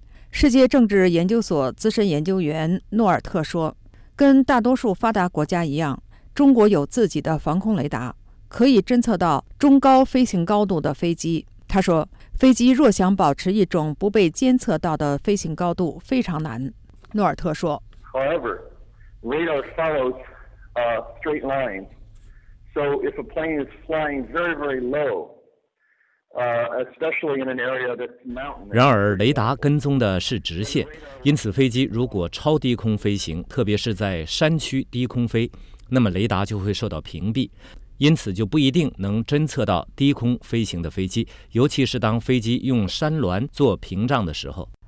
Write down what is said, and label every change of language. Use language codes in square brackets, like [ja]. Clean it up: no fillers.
[zh] 世界政治研究所资深研究员诺尔特说，跟大多数发达国家一样，中国有自己的防空雷达，可以侦测到中高飞行高度的飞机。他说，飞机若想保持一种不被监测到的飞行高度非常难。诺尔特说， [en] However, radar follows a straight line. So if a plane is flying very, very low, especially in an area that's mountainous. [zh] 然而，雷达跟踪的是直线，因此飞机如果超低空飞行，特别是在山区低空飞，那么雷达就会受到屏蔽，因此就不一定能侦测到低空飞行的飞机，尤其是当飞机用山峦做屏障的时候。